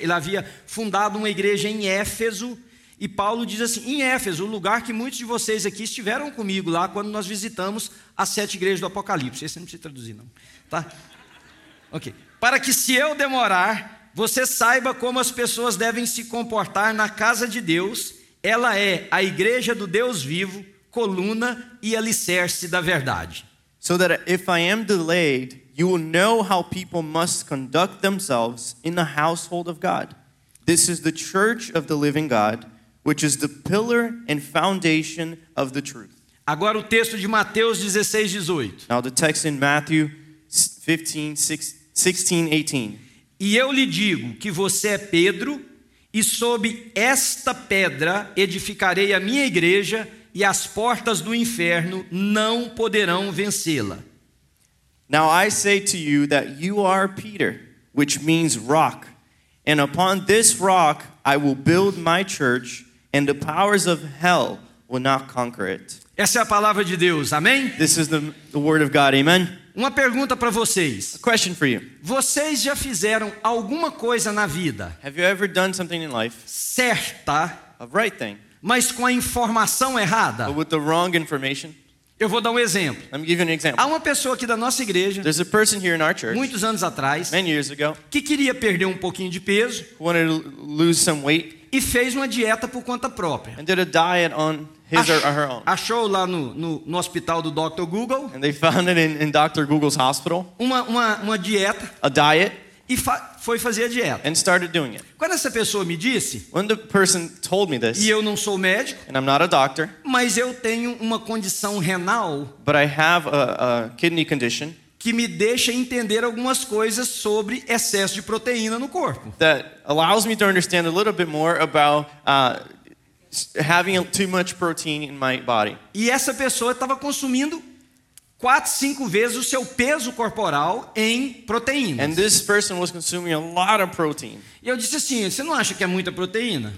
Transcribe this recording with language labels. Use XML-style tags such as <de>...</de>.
<pt>Ele havia fundado uma igreja em Éfeso. E Paulo diz assim, em Éfeso, o lugar que muitos de vocês aqui estiveram comigo lá quando nós visitamos as sete igrejas do Apocalipse. Esse não precisa traduzir, não. Tá? Ok. Para que se eu demorar, você saiba como as pessoas devem se comportar na casa de Deus. Ela é a igreja do Deus vivo, coluna e alicerce da verdade.</pt> <en>So that if I am delayed, you will know how people must conduct themselves in the household of God. This is the church of the living God, which is the pillar and foundation of the truth.</en> <pt>Agora o texto de Mateus 16, 18.</pt> <en>Now the text in Matthew 15, 16, 18.</en> <pt>E eu lhe digo que você é Pedro, e sob esta pedra edificarei a minha igreja, e as portas do inferno não poderão vencê-la.</pt> <en>Now I say to you that you are Peter, which means rock, and upon this rock I will build my church, and the powers of hell will not conquer it.</en> <pt>Essa é a palavra de Deus. Amém?</pt> <en>This is the word of God. Amen.</en> <pt>Uma pergunta para vocês.</pt> <en>A question for you.</en> <pt>Vocês já fizeram alguma coisa na vida?</pt> <en>Have you ever done something in life?</en> <pt>Certa.</pt> <en>A right thing.</en> <pt>Mas com a informação errada.</pt> <en>But with the wrong information.</en> <pt>Eu vou dar um exemplo.</pt> <en>Let me give you an example.</en> <pt>Há uma pessoa aqui da nossa igreja.</pt> <en>There's a person here in our church.</en> <pt>Muitos anos atrás.</pt> <en>Many years ago.</en> <pt>Que queria perder um pouquinho de peso.</pt> <en>Who wanted to lose some weight.</en> <pt>E fez uma dieta por conta própria.</pt> <en>And did a diet on his or her own.</en> <pt>Achou lá no hospital do Dr. Google.</pt> <en>And they found it in Dr. Google's hospital.</en> <pt>Uma dieta.</pt> <en>A diet.</en> <pt>E foi fazer a dieta.</pt> <en>And started doing it.</en> <pt>Quando essa pessoa me disse.</pt> <en>When the person told me this.</en> <pt>E eu não sou médico.</pt> <en>And I'm not a doctor.</en> <pt>Mas eu tenho uma condição renal.</pt> <en>But I have a kidney condition.</en> <pt>Que me deixa entender algumas coisas sobre excesso de proteína no corpo.</pt> <en>That allows me to understand a little bit more about having too much protein in my body.</en> <pt>E essa pessoa estava consumindo 4, 5 vezes o seu peso corporal em proteínas.</pt> <en>And this person was consuming a lot of protein.</en> <pt>E eu disse assim, você não acha que é muita proteína?</pt>